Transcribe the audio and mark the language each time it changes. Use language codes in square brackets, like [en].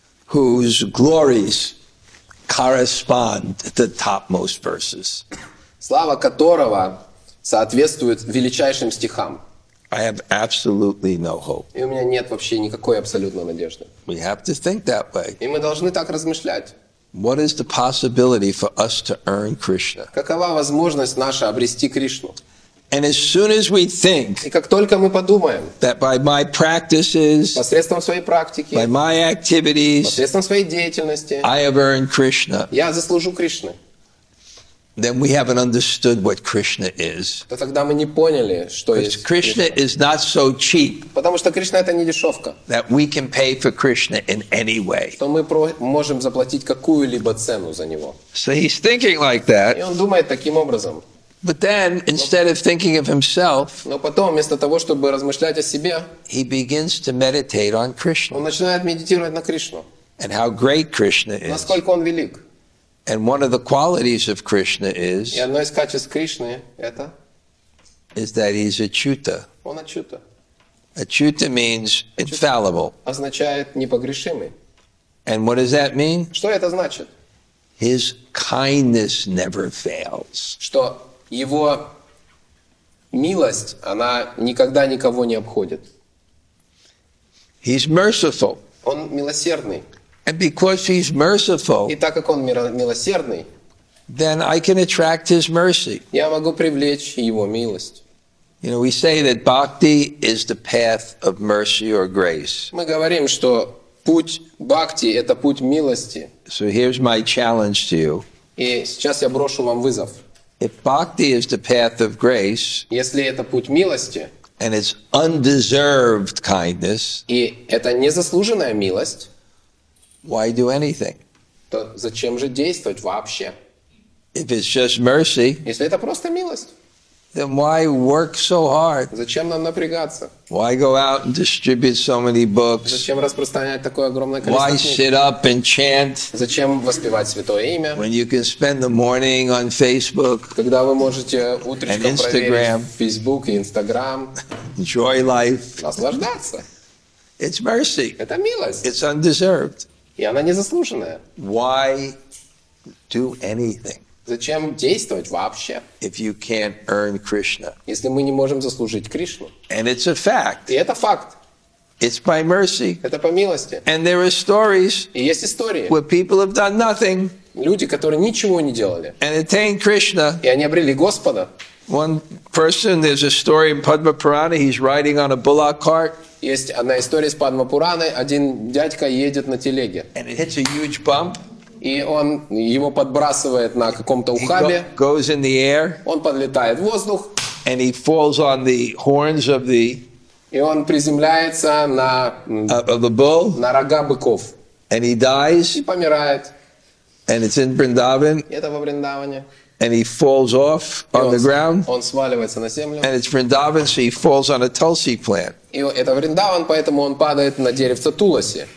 [en] Whose glories correspond to the topmost verses. [ru] Слава которого соответствует величайшим стихам. [en] I have absolutely no hope. [ru] И у меня нет вообще никакой абсолютной надежды. [en] We have to think that way. [ru] И мы должны так размышлять. [en] What is the possibility for us to earn Krishna? [ru] Какова возможность наша обрести Кришну? [en] And as soon as we think, [ru] и как только мы подумаем, [en] that by my practices, [ru] посредством своей практики, [en] by my activities, [ru] посредством своей деятельности, [en] I have earned Krishna, [ru] я заслужу Кришны. [en] Then we haven't understood what Krishna is. [ru] То тогда мы не поняли, что есть [en] Кришна. Krishna is not so cheap. [ru] Потому что Кришна это не дешевка. [en] That we can pay for Krishna in any way. [ru] Что мы можем заплатить какую-либо цену за него. [en] So he's thinking like that. [ru] И он думает таким образом. [en] But then, instead of thinking of himself, [ru] но потом вместо того, чтобы размышлять о себе, [en] he begins to meditate on Krishna. [ru] Он начинает медитировать на Кришну. [en] And how great Krishna is. [ru] Насколько он велик. [en] And one of the qualities of Krishna is, [ru] и одно из качеств Кришны это, [en] is that he's achyuta. [ru] Он achyuta. [en] Achyuta means achyuta infallible. [ru] Означает непогрешимый. [en] And what does that mean? [ru] Что это значит? [en] His kindness never fails. [ru] Что его милость, она никогда никого не обходит. [en] He's merciful. [ru] Он милосердный. [en] And because he's merciful, [ru] и так как он милосердный, [en] then I can attract his mercy. [ru] Я могу привлечь его милость. [en] You know, we say that bhakti is the path of mercy or grace. [ru] Мы говорим, что путь бхакти – это путь милости. [en] So here's my challenge to you. [ru] И сейчас я брошу вам вызов. [en] If bhakti is the path of grace, [ru] если это путь милости, [en] and it's undeserved kindness, [ru] и это незаслуженная милость, [en] why do anything? [ru] То зачем же действовать вообще? [en] If it's just mercy, [ru] если это просто милость, [en] then why work so hard? [ru] Зачем нам напрягаться? [en] Why go out and distribute so many books? [ru] Зачем распространять такое огромное количество книг? [en] Why sit up and chant? [ru] Зачем воспевать святое имя? [en] When you can spend the morning on Facebook, [ru] когда вы можете утречком [en] Instagram, [ru] проверить Facebook и Instagram, [en] enjoy life, [ru] наслаждаться. [en] It's mercy. [ru] Это милость. [en] It's undeserved. [ru] И она незаслуженная. [en] Why do anything? [ru] Зачем действовать вообще? [en] If you can't earn Krishna. [ru] Если мы не можем заслужить Кришну. [en] And it's a fact. [ru] И это факт. [en] It's by mercy. [ru] Это по милости. [en] And there are stories. [ru] И есть истории. [en] Where people have done nothing. [ru] Люди, которые ничего не делали. [en] And attained Krishna. [ru] И они обрели Господа. [en] One person, there's a story in Padma Purana. He's riding on a bullock cart. [ru] Есть одна история с Падма Пураной. Один дядька едет на телеге. [en] And it hits a huge bump. [ru] И он его подбрасывает на каком-то ухабе. [en] He goes in the air. [ru] Он подлетает в воздух. [en] And he falls on the horns of the. [ru] И он приземляется на. [en] Of the bull. [ru] На рога быков. [en] And he dies. [ru] И помирает. [en] And it's in Vrindavan. [ru] Это во Вриндаване. [en] And he falls off on the ground. [ru] Он сваливается на землю. [en] And it's Vrindavan, so he falls on a tulsi plant. [ru] И это Вриндаван, поэтому он падает на деревце туласи.